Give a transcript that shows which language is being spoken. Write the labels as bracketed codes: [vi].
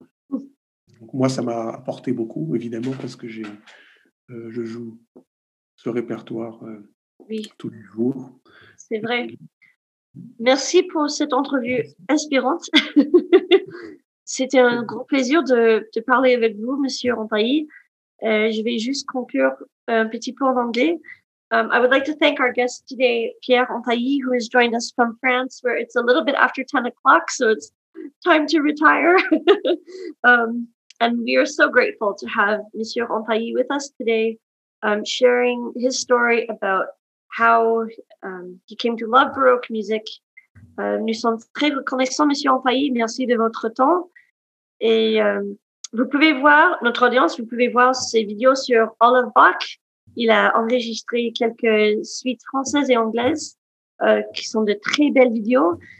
[fr] Donc moi, ça m'a apporté beaucoup, évidemment, parce que je joue ce répertoire tous les jours. C'est vrai. Merci pour cette entrevue inspirante. C'était un grand plaisir de parler avec vous, Monsieur Rampailly. Je vais juste conclure un petit peu en anglais. [en] I would like to thank our guest today, Pierre Rampailly, who has joined us from France, where it's a little bit after 10 o'clock, so it's time to retire. and we are so grateful to have Monsieur Rampailly with us today, sharing his story about how he came to love Baroque music. [fr] Nous sommes très reconnaissants, Monsieur Rampailly, merci de votre temps. Et vous pouvez voir, notre audience, vous pouvez voir ses vidéos sur All of Bach. Il a enregistré quelques suites françaises et anglaises qui sont de très belles vidéos.